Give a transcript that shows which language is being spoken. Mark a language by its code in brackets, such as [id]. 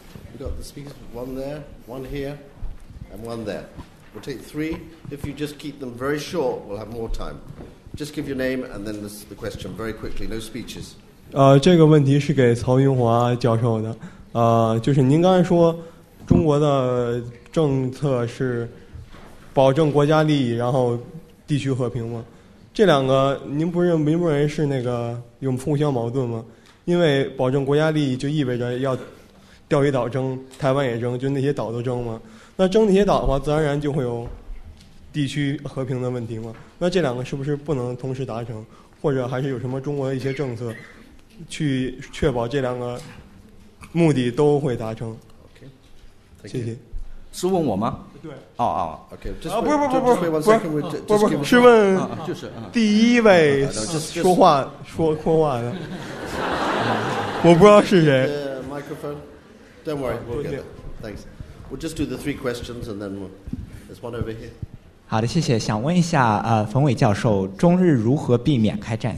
[en] We've got the speakers, one there, one here, and one there. We'll take three. If you just keep them very short, we'll have more time. Just give your name and then the question very quickly, no speeches. [zh] 这个问题是给曹云华教授的。就是您刚才说中国的政策是保证国家利益然后地区和平吗？这两个您不认为是那个有互相矛盾吗？因为保证国家利益就意味着要钓鱼岛争，台湾也争，就那些岛都争吗？那争那些岛的话自然而然就会有地区和平的问题吗？那这两个是不是不能同时达成，或者还是有什么中国的一些政策去确保这两个目的都会达成？ OK，谢谢。是问我吗？对。哦哦。 OK。啊，不是，是问，就是第一位说话说话的，我不知道是谁。 [en] Microphone. Don't worry, we'll get it. Thanks. We'll just do the three questions and then there's one over here. [zh] 好的，谢谢。想问一下，冯伟教授，中日如何避免开战？